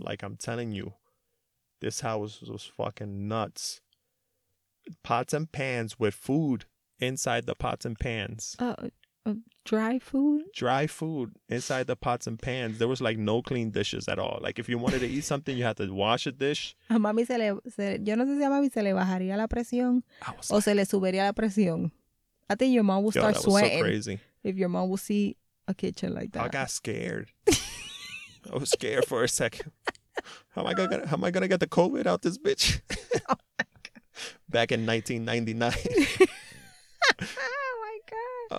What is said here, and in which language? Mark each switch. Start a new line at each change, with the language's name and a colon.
English: Like, I'm telling you, this house was fucking nuts. Pots and pans with food inside the pots and pans. Dry food inside the pots and pans. There was like no clean dishes at all. Like, if you wanted to eat something, you had to wash a dish.
Spanish: A mami yo no sé si a mami se le bajaría la presión o se le subiría la presión.
English: I think your mom would start sweating. So crazy. If your mom would see a kitchen like that, I got scared. I was scared for a second. How am I gonna get the COVID out this bitch? Back in 1999. Oh, my God.